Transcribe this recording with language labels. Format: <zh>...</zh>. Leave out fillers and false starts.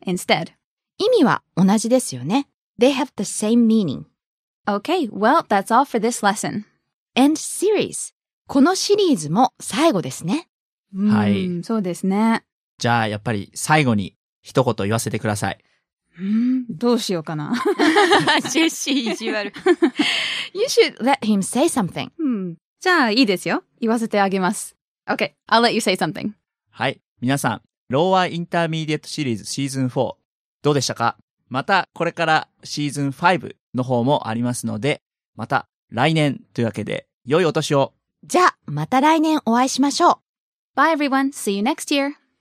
<en>Instead.</en> <ja>意味は同じですよね。</ja> <en>They have the same meaning. Okay, well, that's all for this lesson. End series.</en> <ja>このシリーズも最後ですね。はい。そうですね。じゃあ、やっぱり最後に一言言わせてください。どうしようかな。ジェシー意地悪。</ja> <en>You should let him say something.</en> <ja>じゃあ、いいですよ。言わせてあげます。</ja> <en>Okay, I'll let you say something.</en> <ja>はい。皆さん、ローアインターミディエットシリーズシーズン4、どうでしたか？また、これからシーズン5の方もありますので、また来年というわけで、良いお年を。じゃあ、また来年お会いしましょう。</ja> <en>Bye everyone. See you next year.</en>